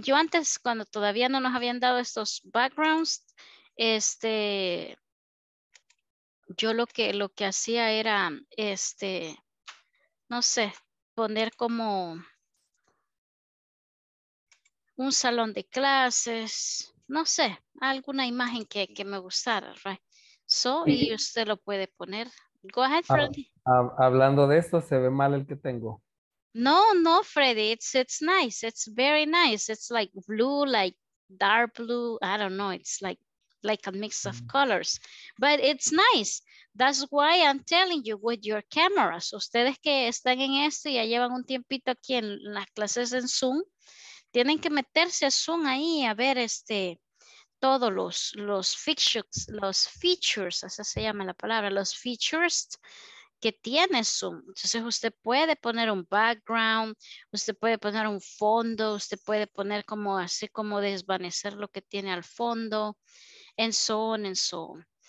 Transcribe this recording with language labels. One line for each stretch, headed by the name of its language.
Spanish: Yo antes, cuando todavía no nos habían dado estos backgrounds, yo lo que hacía era, no sé, poner como un salón de clases, no sé, alguna imagen que me gustara, right? So, y usted lo puede poner.
English: Go ahead,
Spanish: Freddy. Hablando de esto, se ve mal el que tengo.
English: No, no, Freddy, it's nice, it's very nice. It's like blue, like dark blue, I don't know, it's like a mix of colors, but it's nice. That's why I'm telling you with your cameras.
Spanish: Ustedes que están en esto y ya llevan un tiempito aquí en las clases en Zoom, tienen que meterse a Zoom ahí a ver todos los features, así se llama la palabra, los features que tiene Zoom. Entonces usted puede poner un background, usted puede poner un fondo, usted puede poner como así como desvanecer lo que tiene al fondo,
English: and so on and so on.